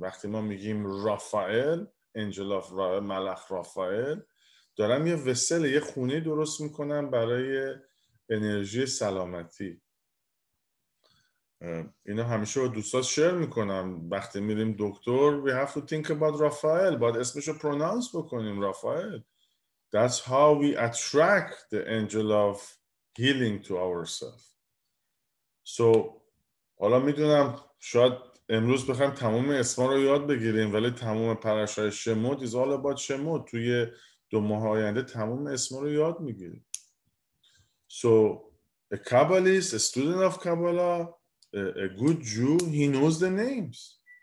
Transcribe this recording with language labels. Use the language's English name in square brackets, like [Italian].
[Persian] وقتی ما میگیم رافائل، انجل آف رافائل، ملخ رافائل، دارم یه وسل، یه خونه درست میکنم برای انرژی سلامتی. اینا همیشه با دوستات شیر میکنم. وقتی میریم دکتر، [English] we have to think about [Persian] رافائل. باید اسمش رو پرونانس بکنیم، رافائل. [English] That's how we attract the angel of healing to ourselves. [Persian] So حالا میدونم شاید امروز بخوایم تمام اسما رو یاد بگیریم، ولی تمام پرشای شموت [English] is all about [Persian] شموت. توی دو ماه آینده تمام اسما رو یاد میگیریم. [English] So a Kabbalist, a student of Kabbalah, a good Jew, he knows the names.